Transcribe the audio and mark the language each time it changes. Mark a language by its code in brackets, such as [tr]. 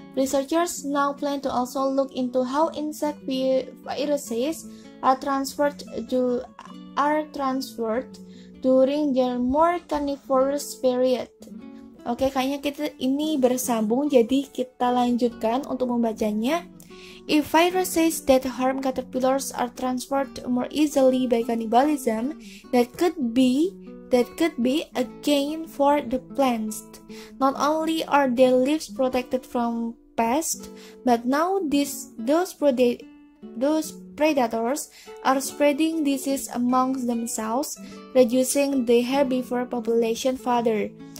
[en] Researchers now plan to also look into how insect viruses are transferred during their more carnivorous period. [id] Oke, kayaknya kita ini bersambung, jadi kita lanjutkan untuk membacanya. [en] If viruses that harm caterpillars are transferred more easily by cannibalism, that could be a gain for the plants. Not only are their leaves protected from pests, but now those predators are spreading disease amongst themselves, reducing the herbivore population further.